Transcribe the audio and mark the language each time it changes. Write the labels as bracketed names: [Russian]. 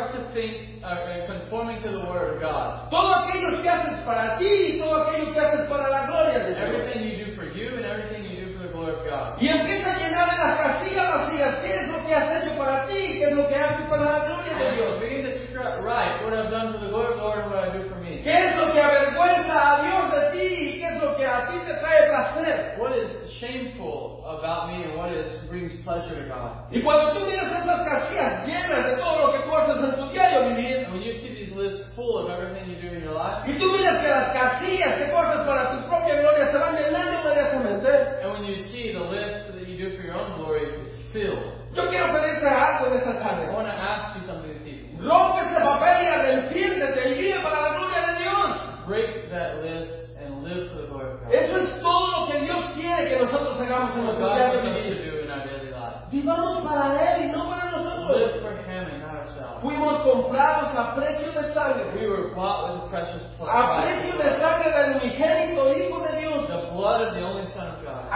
[English] practicing, conforming to the word of God. [Spanish] Todo aquello que haces para ti y todo aquello que haces para la gloria de Dios. [English] Everything you do for you and everything you do for the glory of God. [Spanish] Y empieza a llenar en las casillas vacías. ¿Qué es lo que has hecho para ti? ¿Qué es lo que haces para la gloria de Dios? [English] Begin to scratch right what I've done for the glory of the Lord and what I do for me. [Spanish] ¿Qué es lo que avergüenza a Dios de ti? ¿Qué es lo que a ti te trae placer? [English] What is shameful about me and what is brings pleasure to God? [Spanish] Y cuando tú miras esas casillas llenas de todo lo que tú haces en tu diario vivir, [English] when you see these lists full of everything you do in your life, [Spanish] y tú miras que las casillas que cortas para tu propia gloria se van llenando inmediatamente, [English] and when you see the list that you do for your own glory is filled, [Spanish] yo quiero pedirte algo en esta tarde. [English] I want to ask you something this evening. [Spanish] Rompe ese papel y arrepiéntete y vive para la gloria de Dios. [English] Break that list and live for the glory of God. [Spanish] Eso es todo lo que Dios quiere que nosotros hagamos en nuestro día a día. [English] What God wants us to do in our daily life. [Spanish] Vivamos para Él y no para nosotros. [English] Live for Him and not ourselves. [Spanish] Fuimos comprados a precio de sangre. [English] We were bought with a precious price. [Spanish] A precio de sangre del unigénito Hijo de Dios. [English] The blood of the only Son of God.